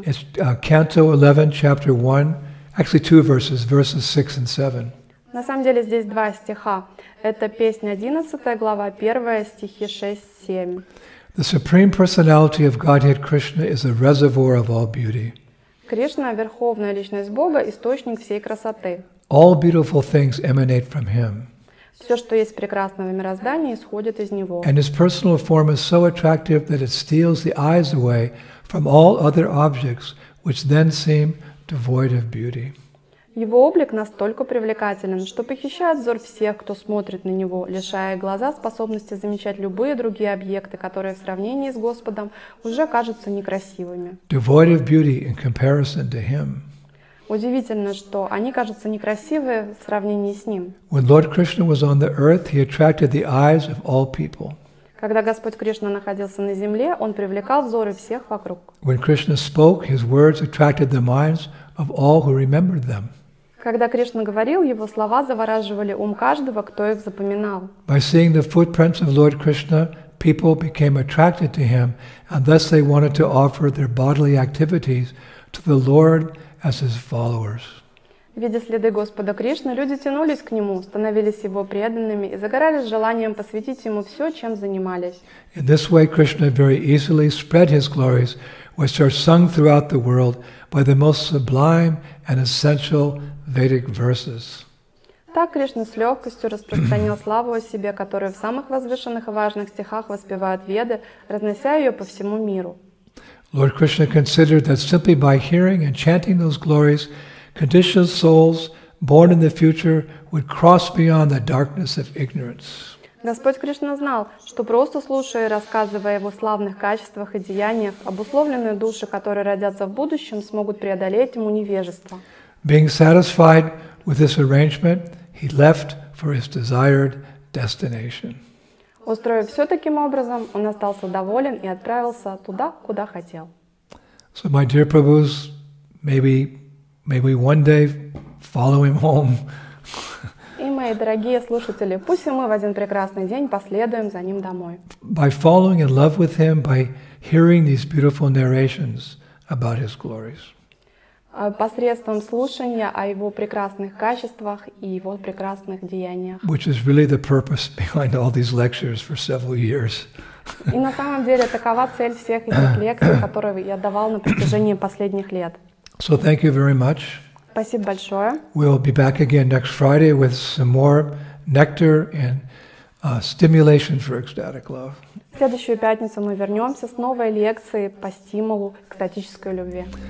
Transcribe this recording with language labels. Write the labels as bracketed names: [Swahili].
[English] It's Canto 11, Chapter 1, actually two verses, verses 6 and 7. [Russian] На самом деле здесь два стиха. Это песня 11, глава 1, стихи 6-7. [English] The Supreme Personality of Godhead Krishna is a reservoir of all beauty. [Russian] Кришна – верховная личность Бога, источник всей красоты. [English] All beautiful things emanate from Him. [Russian] Все, что есть прекрасного мироздания, исходит из Него. [English] And His personal form is so attractive that it steals the eyes away from all other objects, which then seem devoid of beauty. [Russian] Его облик настолько привлекателен, что похищает взор всех, кто смотрит на него, лишая глаза способности замечать любые другие объекты, которые в сравнении с Господом уже кажутся некрасивыми. [English] Devoid of beauty in comparison to him. [Russian] Удивительно, что они кажутся некрасивыми в сравнении с ним. [English] When Lord Krishna was on the earth, he attracted the eyes of all people. [Russian] Когда Господь Кришна находился на земле, он привлекал взоры всех вокруг. [English] When Krishna spoke, his words attracted the minds of all who remembered them. [Russian] Когда Кришна говорил, его слова завораживали ум каждого, кто их запоминал. [English] By seeing the footprints of Lord Krishna, people became attracted to him, and thus they wanted to offer their bodily activities to the Lord as his followers. [Russian] Видя следы Господа Кришны, люди тянулись к нему, становились его преданными и загорались желанием посвятить ему все, чем занимались. [English] In this way, Krishna very easily spread his glories, which are sung throughout the world by the most sublime and essential Vedic verses. [Russian] Так Кришна с легкостью распространил славу о себе, которую в самых возвышенных и важных стихах воспевают Веды, разнося ее по всему миру. [English] Lord Krishna considered that simply by hearing and chanting those glories, conditioned souls born in the future would cross beyond the darkness of ignorance. [Russian] Господь Кришна знал, что просто слушая и рассказывая о его славных качествах и деяниях, обусловленные души, которые родятся в будущем, смогут преодолеть ему невежество. [English] Being satisfied with this arrangement, he left for his desired destination. [Russian] Устроив все таким образом, он остался доволен и отправился туда, куда хотел. [English] So, my dear Prabhus, maybe one day follow him home. [Russian] И мои дорогие слушатели, пусть и мы в один прекрасный день последуем за ним домой. [English] By falling in love with him, by hearing these beautiful narrations about his glories. [Russian] Посредством слушания о его прекрасных качествах и его прекрасных деяниях. [English] Which is really the purpose behind all these lectures for several years. [Russian] И на самом деле такова цель всех этих лекций, которые я давал на протяжении последних лет. [English] So thank you very much. [Russian] Спасибо большое. [English] We'll be back again next Friday with some more nectar and stimulation for ecstatic love. [Russian] В следующую пятницу мы вернемся с новой лекцией по стимулу к экстатической любви.